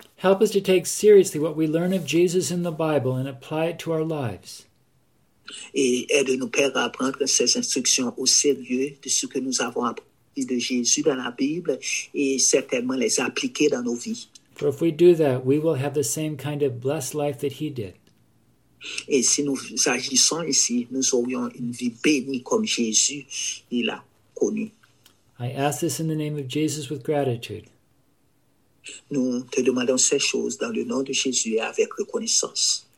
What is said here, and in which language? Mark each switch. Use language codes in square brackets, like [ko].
[en] Help us to take seriously what we learn of Jesus in the Bible and apply it to our lives. [fr] Et aide-nous, Père, à prendre ces instructions au sérieux de ce que nous avons appris de Jésus dans la Bible et certainement les appliquer dans nos vies. [en] For if we do that, we will have the same kind of blessed life that he did. [fr] Et si nous agissons ici, nous aurions une vie bénie comme Jésus l'a connu. [en] I ask this in the name of Jesus with gratitude. [fr] Nous te demandons ces choses dans le nom de Jésus et avec reconnaissance.